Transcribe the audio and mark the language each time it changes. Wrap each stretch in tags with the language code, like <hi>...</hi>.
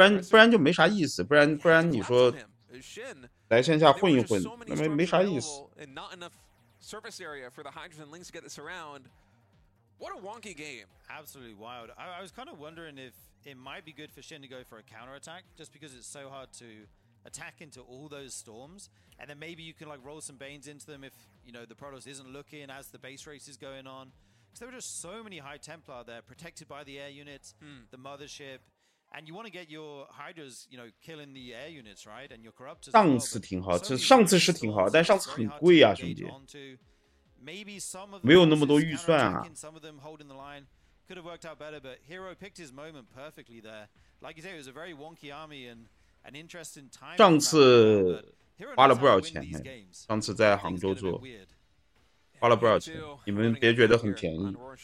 <zh>不然就没啥意思，不然你说来线下混一混，那没啥意思。</zh> <en>And not enough surface area for the Hydras and Lynx to get this around. What a wonky game! Absolutely wild. I was kind of wondering if it might be good for Shin to go for a counter attack, just because it's so hard to attack into all those storms, and then maybe you can like roll some banes into them if you know the Protoss isn't looking as the base race is going on. Because there were just so many High Templar there, protected by the air units, the mothership. And you want to get your Hydras, you know, killing the air units, right? And your corruptors.</en> <zh>上次挺好，上次是挺好，但上次很贵啊，兄弟。</zh> <en>Maybe some of</en> <zh>没有那么多预算啊。</zh> <en>Some of them holding the line could have worked out better, but Hero picked his moment perfectly there. Like you say, it was a very wonky army and an interesting time.</en> <zh>上次花了不少钱，上次在杭州做，花了不少钱。你们别觉得很便宜。</zh>